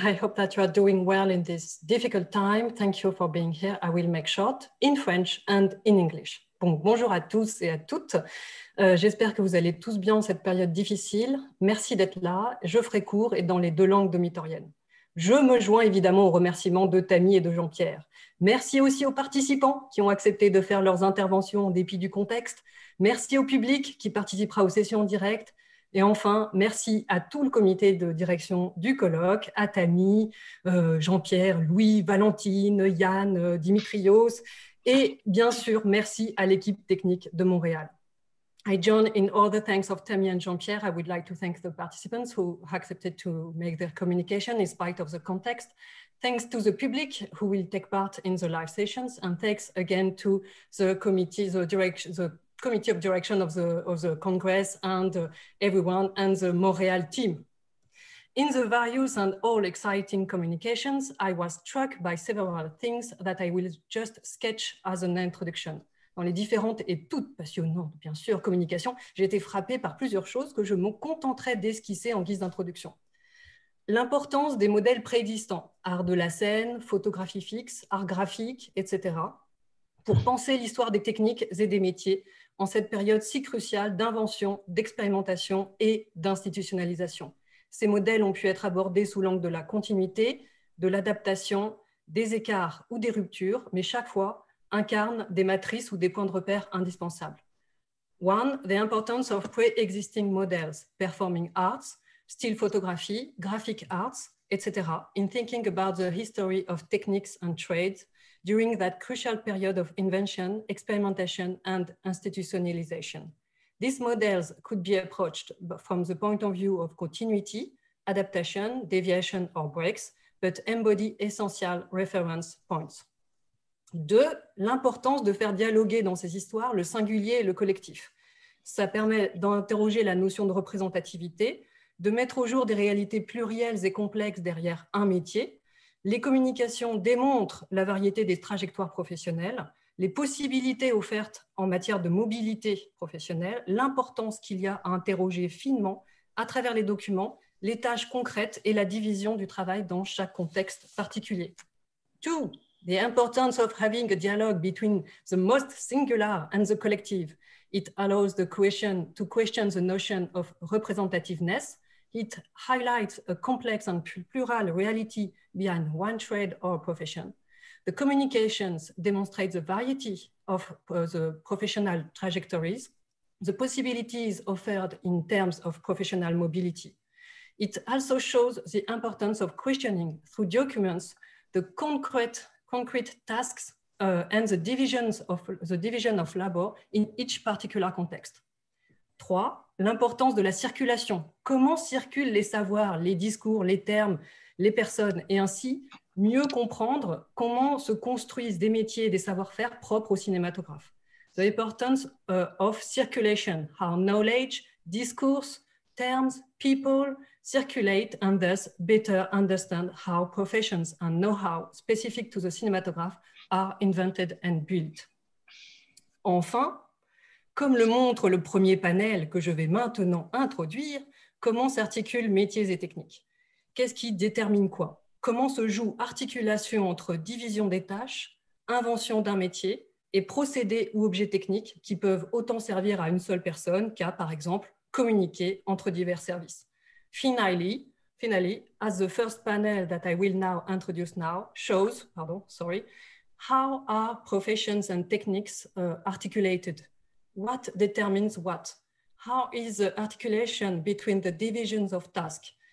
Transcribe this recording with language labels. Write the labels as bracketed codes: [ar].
[en] I hope that you are doing well in this difficult time. Thank you for being here. I will make short in French and in English. [fr] Bon, bonjour à tous et à toutes. J'espère que vous allez tous bien en cette période difficile. Merci d'être là. Je ferai court et dans les deux langues domitoriennes. Je me joins évidemment aux remerciements de Tami et de Jean-Pierre. Merci aussi aux participants qui ont accepté de faire leurs interventions en dépit du contexte. Merci au public qui participera aux sessions en direct. Et enfin, merci à tout le comité de direction du colloque, à Tami, Jean-Pierre, Louis, Valentine, Yann, Dimitrios, et bien sûr, merci à l'équipe technique de Montréal. [en] I join in all the thanks of Tami and Jean-Pierre. I would like to thank the participants who accepted to make their communication in spite of the context. Thanks to the public who will take part in the live sessions, and thanks again to the committee, the committee of direction of the Congress and everyone and the Montreal team. In the various and all exciting communications, I was struck by several things that I will just sketch as an introduction. [fr] Dans les différentes et toutes passionnantes, bien sûr, communications, j'ai été frappée par plusieurs choses que je me contenterai d'esquisser en guise d'introduction. L'importance des modèles préexistants, art de la scène, photographie fixe, art graphique, etc. pour penser l'histoire des techniques et des métiers en cette période si cruciale d'invention, d'expérimentation et d'institutionnalisation. Ces modèles ont pu être abordés sous l'angle de la continuité, de l'adaptation, des écarts ou des ruptures, mais chaque fois incarnent des matrices ou des points de repère indispensables. [en] One, the importance of pre-existing models, performing arts, still photography, graphic arts, etc., in thinking about the history of techniques and trades during that crucial period of invention, experimentation, and institutionalization. These models could be approached from the point of view of continuity, adaptation, deviation, or breaks, but embody essential reference points. [fr] Deux, l'importance de faire dialoguer dans ces histoires le singulier et le collectif. Ça permet d'interroger la notion de représentativité, de mettre au jour des réalités plurielles et complexes derrière un métier. Les communications démontrent la variété des trajectoires professionnelles, les possibilités offertes en matière de mobilité professionnelle, l'importance qu'il y a à interroger finement, à travers les documents, les tâches concrètes et la division du travail dans chaque contexte particulier. [en] Two, the importance of having a dialogue between the most singular and the collective. It allows the question to question the notion of representativeness. It highlights a complex and plural reality behind one trade or profession. The communications demonstrate the variety of the professional trajectories, the possibilities offered in terms of professional mobility. It also shows the importance of questioning through documents the concrete tasks and the division of labor in each particular context. [fr] Trois, l'importance de la circulation. Comment circulent les savoirs, les discours, les termes, les personnes, et ainsi mieux comprendre comment se construisent des métiers et des savoir-faire propres aux cinématographes. [en] The importance of circulation, how knowledge, discourse, terms, people circulate and thus better understand how professions and know-how specific to the cinematograph are invented and built. [fr] Enfin, comme le montre le premier panel que je vais maintenant introduire, comment s'articulent métiers et techniques? Qu'est-ce qui détermine quoi? Comment se joue articulation entre division des tâches, invention d'un métier et procédés ou objets techniques qui peuvent autant servir à une seule personne qu'à, par exemple, communiquer entre divers services? [en] Finally, as the first panel that I will now introduce now shows, how are professions and techniques articulated? What determines what? How is the articulation between the divisions of task?